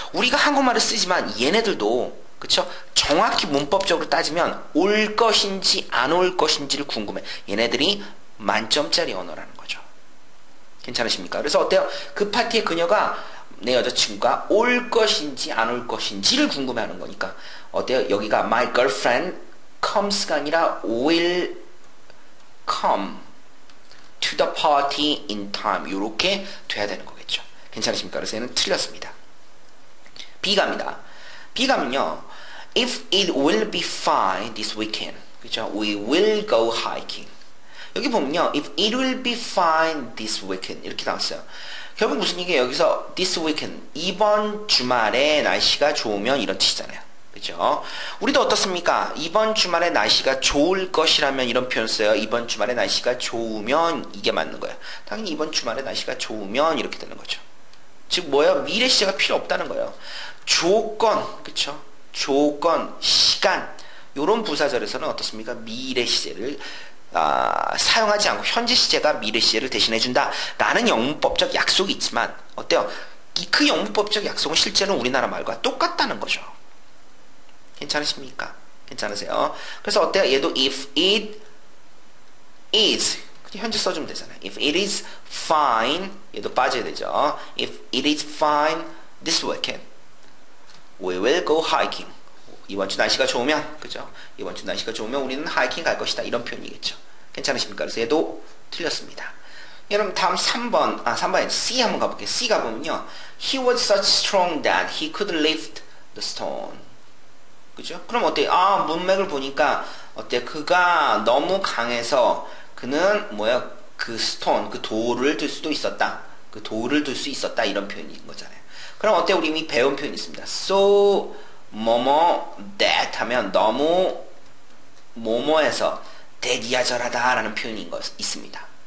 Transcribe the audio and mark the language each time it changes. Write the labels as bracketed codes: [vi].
[ko] 우리가 한국말을 쓰지만 얘네들도, 그렇죠? 정확히 문법적으로 따지면 올 것인지 안 올 것인지를 궁금해. 얘네들이 만점짜리 언어라는 거죠. 괜찮으십니까? 그래서 어때요? 그 파티에 그녀가, 내 여자친구가 올 것인지 안 올 것인지를 궁금해하는 거니까. 어때요? 여기가 [en] my girlfriend comes [ko] 가 아니라 [en] will come to the party in time. [ko] 이렇게 돼야 되는 거겠죠. 괜찮으십니까? 그래서 얘는 틀렸습니다. B갑니다. B가면요, [en] if it will be fine this weekend, [ko] 그죠? [en] We will go hiking. [ko] 여기 보면요, [en] if it will be fine this weekend [ko] 이렇게 나왔어요. 결국 무슨 얘기예요? 여기서 this weekend, 이번 주말에 날씨가 좋으면 이런 뜻이잖아요. 그죠? 우리도 어떻습니까? 이번 주말에 날씨가 좋을 것이라면 이런 표현 써요. 이번 주말에 날씨가 좋으면, 이게 맞는 거예요. 당연히 이번 주말에 날씨가 좋으면 이렇게 되는 거죠. 즉 뭐예요? 미래 시제가 필요 없다는 거예요. 조건, 그쵸? 조건, 시간, 이런 부사절에서는 어떻습니까? 미래 시제를 사용하지 않고 현재 시제가 미래 시제를 대신해 준다 라는 영문법적 약속이 있지만, 어때요? 그 영문법적 약속은 실제로는 우리나라 말과 똑같다는 거죠. 괜찮으십니까? 괜찮으세요? 그래서 어때요? 얘도 [en] if it is, [ko] 현재 써주면 되잖아요. [en] if it is fine, [ko] 얘도 빠져야 되죠. [en] if it is fine this weekend, we will go hiking. [ko] 이번 주 날씨가 좋으면, 그죠? 이번 주 날씨가 좋으면 우리는 하이킹 갈 것이다. 이런 표현이겠죠. 괜찮으십니까? 그래서 얘도 틀렸습니다. 여러분, 다음 3번에 C 한번 가볼게요. C 가보면요, [en] He was such strong that he could lift the stone. [ko] 그죠? 그럼 어때요? 아, 문맥을 보니까, 어때요? 그가 너무 강해서, 그는, 뭐야, 그 스톤, 그 돌을 들 수도 있었다. 그 돌을 들 수 있었다. 이런 표현인 거잖아요. 그럼 어때요? 우리 이미 배운 표현이 있습니다. So, 뭐뭐 that 하면 너무 뭐뭐해서 대기하절하다 라는 표현인 것 있습니다.